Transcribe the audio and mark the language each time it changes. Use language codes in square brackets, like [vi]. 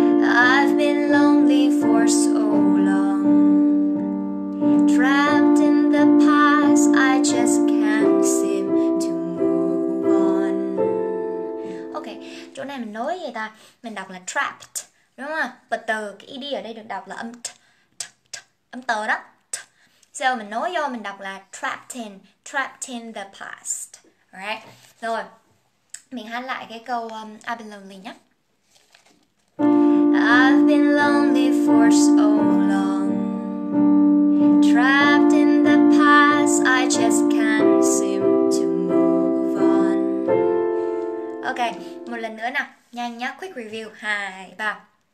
[en] I've been lonely for so long, trapped in the past, I just can't seem to move on. [vi] Ok, chỗ này mình nói vậy ta. Mình đọc là trapped, đúng không? Và tờ, cái ED ở đây được đọc là âm t, t, t, âm tờ đó. So mình nói vô mình đọc là [en] trapped in the past. Alright, [vi] rồi. Mình hát lại cái câu [en] I've been lonely [vi] nhé. [en] I've been lonely for so long, trapped in the past, I just can't seem to move on. [vi] Ok, một lần nữa nào. Nhanh nhá, [en] quick review. [vi] 2, 3.